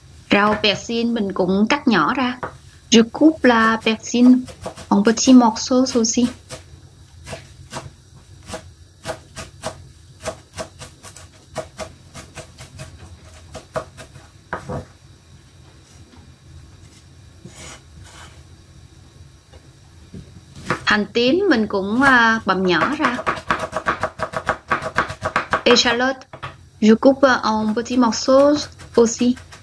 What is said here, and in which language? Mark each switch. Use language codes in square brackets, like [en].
[vi] Rau persil mình cũng cắt nhỏ ra. [fr] Je coupe la persil en petits morceaux aussi. [vi] Hành tím mình cũng bằm nhỏ ra. [fr] Échalote, je coupe en petits morceaux aussi.